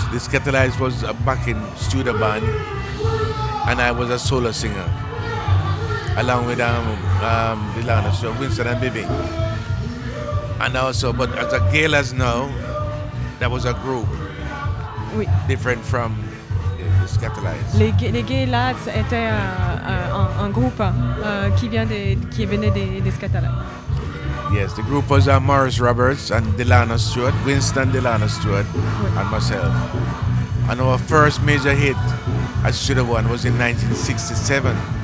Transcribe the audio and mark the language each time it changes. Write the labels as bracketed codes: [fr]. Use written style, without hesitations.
[en] The Scatterlights was a backing studio band, and I was a solo singer along with Delana, so Winston and Bibi. And also, but as a Gaylas now, that was a group. Oui. Different from the Scatterlights. [fr] Les Gaylas étaient un groupe qui venait des Scatterlights. [en] Yes, the group was Morris Roberts and Delana Stewart, Winston Delana Stewart, [fr] oui. [en] And myself. And our first major hit at Studio One was in 1967.